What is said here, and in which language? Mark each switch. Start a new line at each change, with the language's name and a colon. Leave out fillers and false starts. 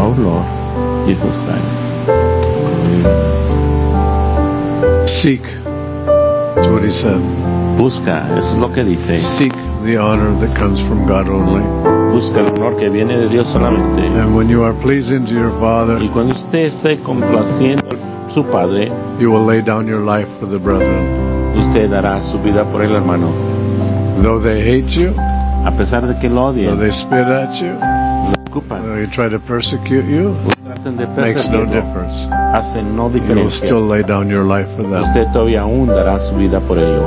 English: our Lord Jesus Christ. Seek. That's what he said.
Spanish: Busca, es lo que dice.
English: Seek the honor that comes from God only.
Spanish: Busca el honor que viene de Dios solamente.
English: And when you are pleasing to your Father,
Spanish: y cuando usted esté complaciendo a su Padre,
English: you will lay down your life for the brethren.
Spanish: Usted dará su vida por el hermano.
English: Though they hate you,
Spanish: a pesar de que lo odien,
English: though they spit at you,
Spanish: lo ocupan,
English: though they try to persecute you, makes no difference.
Spanish: Hace no diferencia.
English: You will still lay down your life for them.
Spanish: Usted todavía aún dará su vida por ello.